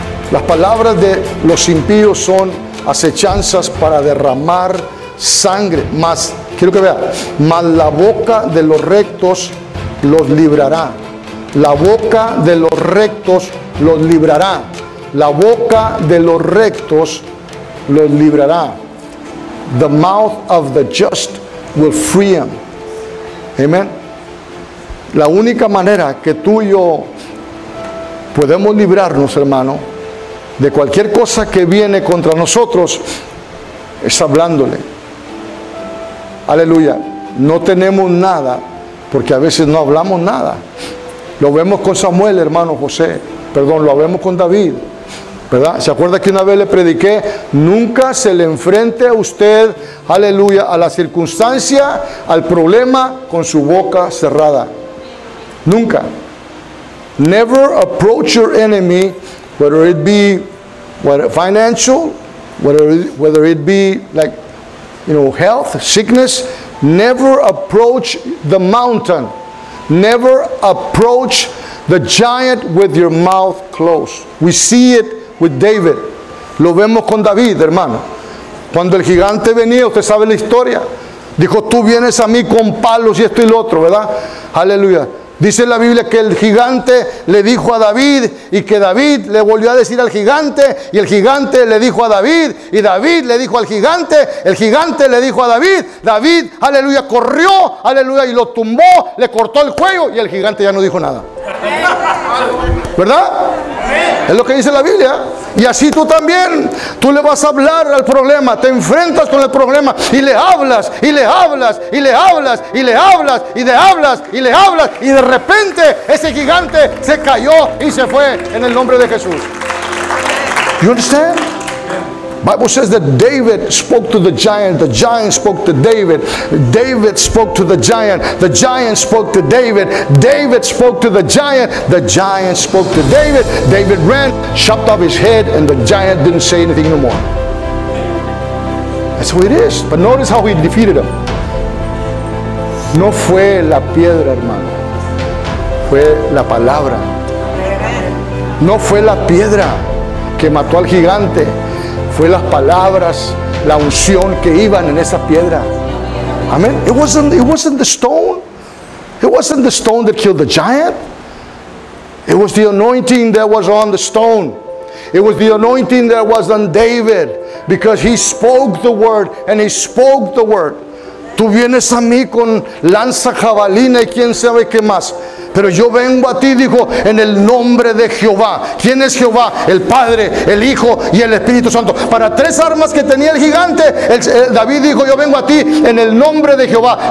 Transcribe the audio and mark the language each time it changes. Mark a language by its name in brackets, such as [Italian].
[Spanish] Las palabras de los impíos son acechanzas para derramar sangre, mas, quiero que vea, mas la boca de los rectos los librará, la boca de los rectos los librará, la boca de los rectos los librará. [English] The mouth of the just will free him. Amen. [Spanish] La única manera que tú y yo podemos librarnos, hermano, de cualquier cosa que viene contra nosotros es hablándole. Aleluya. No tenemos nada porque a veces no hablamos nada. Lo vemos con Samuel, hermano José. Perdón, lo vemos con David. ¿Verdad? ¿Se acuerda que una vez le prediqué? Nunca se le enfrente a usted, aleluya, a la circunstancia, al problema, con su boca cerrada. Nunca. [English] Never approach your enemy, whether it be financial, whether it be like, you know, health, sickness. Never approach the mountain. Never approach the giant with your mouth closed. We see it with David. [Spanish] Lo vemos con David, hermano. Cuando el gigante venía, usted sabe la historia. Dijo, tú vienes a mí con palos y esto y lo otro, ¿verdad? Aleluya. Dice la Biblia que el gigante le dijo a David, y que David le volvió a decir al gigante, y el gigante le dijo a David, y David le dijo al gigante, el gigante le dijo a David, David, aleluya, corrió, aleluya, y lo tumbó, le cortó el cuello, y el gigante ya no dijo nada. ¿Verdad? Es lo que dice la Biblia. Y así tú también, tú le vas a hablar al problema, te enfrentas con el problema y le hablas, y le hablas, y le hablas, y le hablas, y le hablas, y le hablas, y de repente ese gigante se cayó y se fue en el nombre de Jesús. [English] You understand? Bible says that David spoke to the giant spoke to David, David spoke to the giant spoke to David, David spoke to the giant spoke to David, David ran, chopped off his head, and the giant didn't say anything no more. That's how it is. But notice how he defeated him. [Spanish] No fue la piedra, hermano. Fue la palabra. No fue la piedra que mató al gigante. Fue las palabras, la unción que iban en esa piedra. [English] Amén. It wasn't the stone. It wasn't the stone that killed the giant. It was the anointing that was on the stone. It was the anointing that was on David. Because he spoke the word and he spoke the word. [Spanish] Tú vienes a mí con lanza, jabalina y quién sabe qué más. Pero yo vengo a ti, dijo, en el nombre de Jehová. ¿Quién es Jehová? El Padre, el Hijo y el Espíritu Santo. Para tres armas que tenía el gigante, David dijo, yo vengo a ti en el nombre de Jehová.